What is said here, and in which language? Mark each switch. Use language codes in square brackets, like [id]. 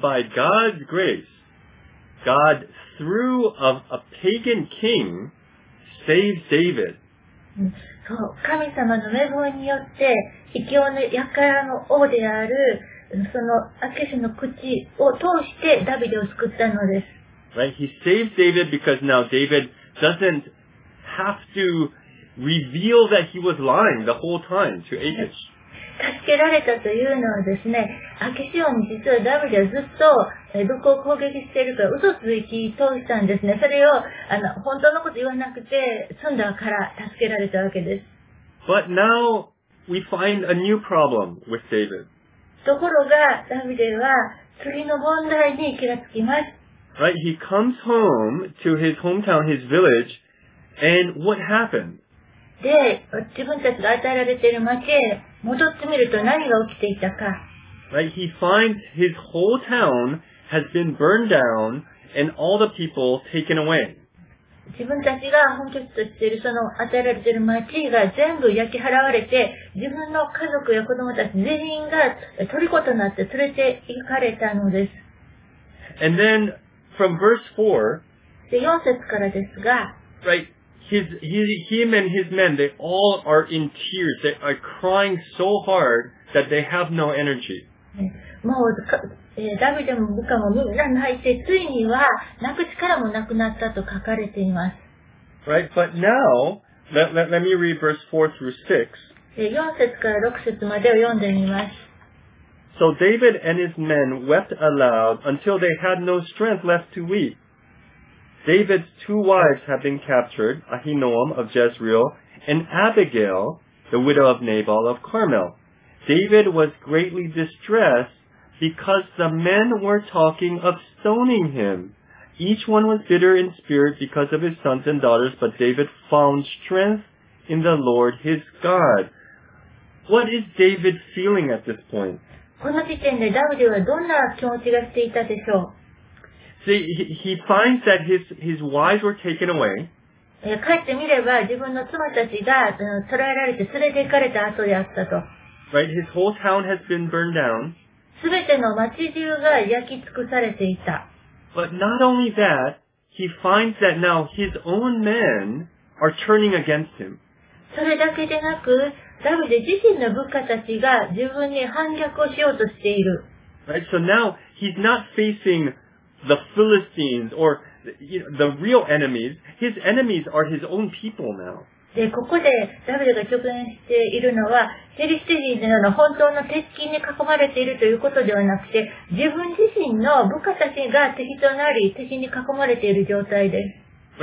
[en] by God's grace, God through a pagan king saves David. [ja] そう、神様の恵みによって、異教の輩の王である、そのアキシの口を通してダビデを救ったのです。 [en] Right, he saves David because now David doesn't have to reveal that he was lying the whole time to Achish. [ja] 助けられたというのはですね、アキシオン実はダビデはずっと江戸を攻撃しているから嘘つき通したんですね。それを本当のこと言わなくて済んだから助けられたわけです。 [en] But now we find a new problem with David. [ja] ところがダビデは次の問題に気がつきます。 [en] Right, he comes home to his hometown, his village, and what happened? [ja] で、自分たちが与えられている町へ戻ってみると何が起きていたか。 [en] Right, he finds his whole town has been burned down and all the people taken away. [ja] 自分たちが本拠地としているその与えられている町が全部焼き払われて、自分の家族や子供たち全員が虜となって連れて行かれたのです。 [en] And then,From verse 4, [ja] で、4節からですが、 [en] right, him and his men, they all are in tears. They are crying so hard that they have no energy. [ja] もう、ダビデも部下もみんな泣いて、ついには泣く力もなくなったと書かれています。 [en] Right, but now, let me read verse 4 through 6. [ja] で、4節から6節までを読んでみます。 [en] So David and his men wept aloud until they had no strength left to weep. David's two wives had been captured, Ahinoam of Jezreel, and Abigail, the widow of Nabal of Carmel. David was greatly distressed because the men were talking of stoning him. Each one was bitter in spirit because of his sons and daughters, but David found strength in the Lord his God. What is David feeling at this point? [ja] この時点でダビデはどんな気持ちがしていたでしょう。 [en] See, he finds that his wives were taken away. [ja] 帰ってみれば自分の妻たちが捕らえられて連れて行かれた後であったと。 [en] Right, his whole town has been burned down. [ja] 全ての町中が焼き尽くされていた。 [en] But not only that, he finds that now his own men are turning against him. [ja] それだけでなく、ダビデ自身の部下たちが自分に反逆をしようとしている。 [en] Right, so now he's not facing the Philistines or the real enemies. His enemies are his own people now. [ja] で、ここでダビデが直面しているのは、フィリシテ人のような本当の敵に囲まれているということではなくて、自分自身の部下たちが敵となり、敵に囲まれている状態です。